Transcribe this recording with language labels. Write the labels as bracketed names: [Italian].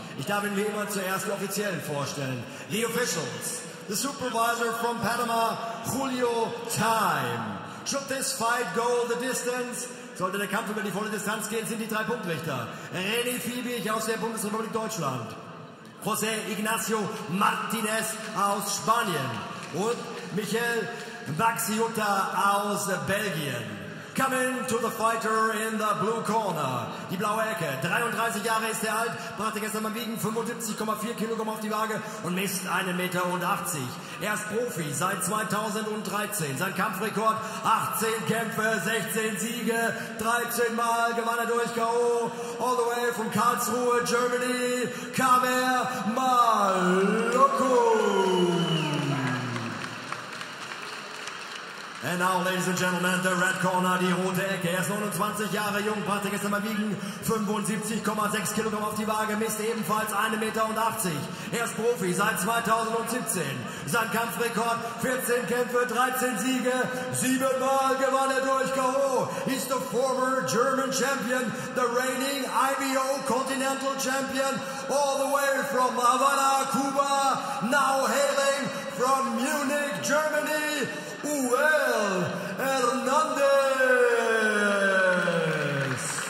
[German] Ich darf ihn wie immer zuerst offiziell vorstellen. [English] The officials, the supervisor from Panama, Julio Time. Should this fight go the distance? [German] Sollte der Kampf über die volle Distanz gehen, sind die drei Punktrichter. René Fiebig aus der Bundesrepublik Deutschland. José Ignacio Martinez aus Spanien. Und Michel Baxiuta aus Belgien. [English] Come in to the fighter in the blue corner. [German] Die blaue Ecke. 33 Jahre ist er alt, brachte gestern beim Wiegen 75,4 Kilogramm auf die Waage und misst 1,80 Meter. Er ist Profi seit 2013. Sein Kampfrekord 18 Kämpfe, 16 Siege, 13 Mal gewann er durch K.O. [English] All the way from Karlsruhe, Germany, Kamer Maloku. And now, ladies and gentlemen, the red corner, [German] die rote Ecke. Er ist 29 Jahre jung, brachte gestern beim Wiegen 75,6 Kilogramm auf die Waage, misst ebenfalls 1,80 Meter. Er ist Profi seit 2017. Sein Kampfrekord, 14 Kämpfe, 13 Siege, 7 Mal gewann er durch K.O. [English] He's the former German champion, the reigning IBO Continental Champion, all the way from Havana, Cuba, now hailing from Munich, Germany, Uwel Hernandez.